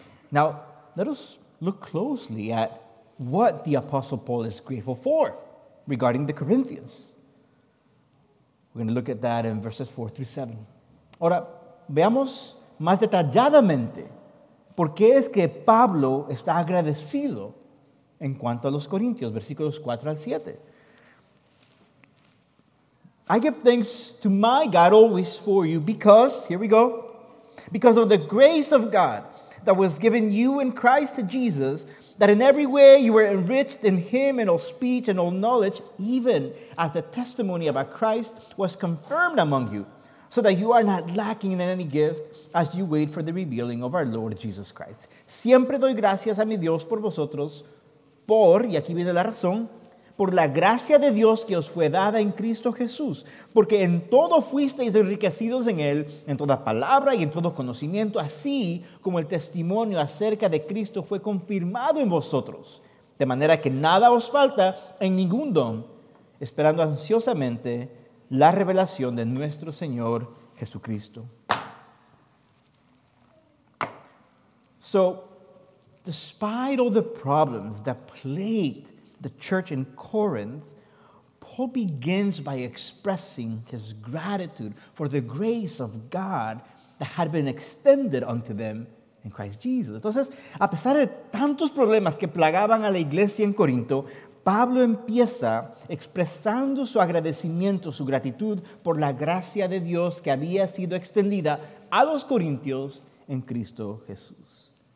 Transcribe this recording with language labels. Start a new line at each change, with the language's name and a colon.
English: Now, let us look closely at what the Apostle Paul is grateful for regarding the Corinthians. We're going to look at that in verses 4 through 7.
Spanish: Ahora, veamos más detalladamente por qué es que Pablo está agradecido en cuanto a los Corintios, versículos 4 al 7.
English: I give thanks to my God always for you because, here we go, because of the grace of God that was given you in Christ Jesus, that in every way you were enriched in him in all speech and all knowledge, even as the testimony about Christ was confirmed among you, so that you are not lacking in any gift as you wait for the revealing of our Lord Jesus Christ.
Spanish: Siempre doy gracias a mi Dios por vosotros, por, y aquí viene la razón, por la gracia de Dios que os fue dada en Cristo Jesús, porque en todo fuisteis enriquecidos en él, en toda palabra y en todo conocimiento, así como el testimonio acerca de Cristo fue confirmado en vosotros, de manera que nada os falta en ningún don, esperando ansiosamente la revelación de nuestro Señor Jesucristo.
English: So, despite all the problems that plagued the church in Corinth, Paul begins by expressing his gratitude for the grace of God that had been extended unto them in Christ Jesus.
Spanish: Entonces, a pesar de tantos problemas que plagaban a la iglesia en Corinto, Pablo empieza expresando su agradecimiento, su gratitud por la gracia de Dios que había sido extendida a los corintios en Cristo Jesús.